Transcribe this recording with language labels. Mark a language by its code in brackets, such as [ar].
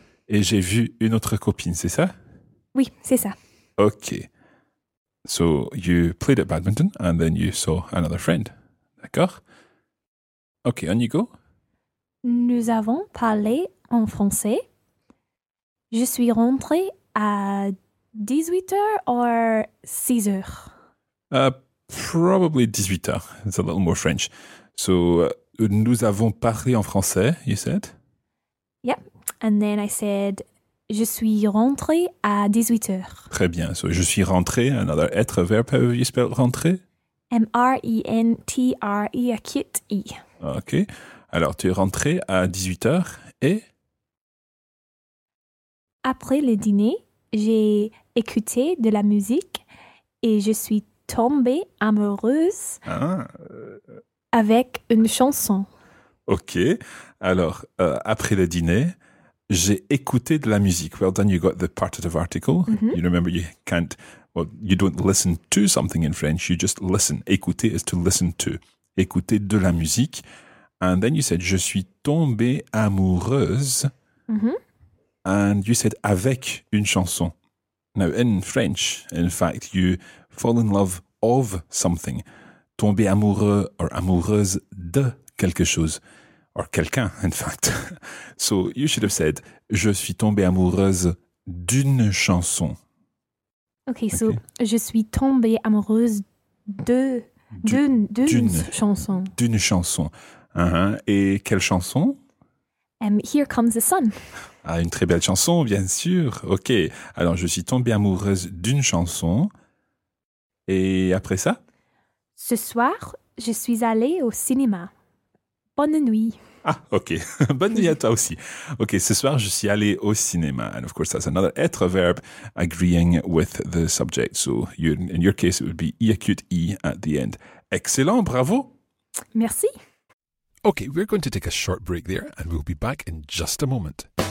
[fr] Et j'ai vu une autre copine, c'est ça? Oui, c'est ça. [en] Okay. So, you played at badminton and then you saw another friend. D'accord? Okay, on you go. [fr] Nous avons parlé en français. Je suis rentré à 18h or 6h? [en] Probably 18h. It's a little more French. So, [fr] nous avons parlé en français, [en] you said? Yep. And then I said, [fr] je suis rentré à 18h. Très bien. [en] So, [fr] je suis rentré, [en] another être, verb, how you spell rentré? M-R-E-N-T-R-E, acute E. [fr] Ok. Alors, tu es rentré à 18h et? Après le dîner, j'ai écouté de la musique et je suis tombée amoureuse avec une chanson. [en] Ok. [fr] Alors, après le dîner, j'ai écouté de la musique. [en] Well done, you got the partitive article. Mm-hmm. You remember you can't, well, you don't listen to something in French, you just listen. Écouter is to listen to. [fr] Écouter de la musique. [en] And then you said, [fr] je suis tombée amoureuse. Mm-hmm. [en] And you said, [fr] avec une chanson. [en] Now, in French, in fact, you fall in love of something. [fr] Tomber amoureux or amoureuse de quelque chose. [en] Or quelqu'un, in fact. So, you should have said, [fr] je suis tombée amoureuse d'une chanson. [en] Okay, so, [fr] je suis tombée amoureuse d'une chanson. Uh-huh. Et quelle chanson? [en] Here Comes the Sun. [fr] Ah, une très belle chanson, bien sûr. Ok, alors je suis tombée amoureuse d'une chanson. Et après ça? Ce soir, je suis allée au cinéma. Bonne nuit. Ah, ok. Bonne nuit à toi aussi. Ok, ce soir, je suis allé au cinéma. [en] And of course, that's another être verb agreeing with the subject. So, in your case, it would be I acute I at the end. [fr] Excellent, bravo. Merci. [en] Ok, we're going to take a short break there and we'll be back in just a moment.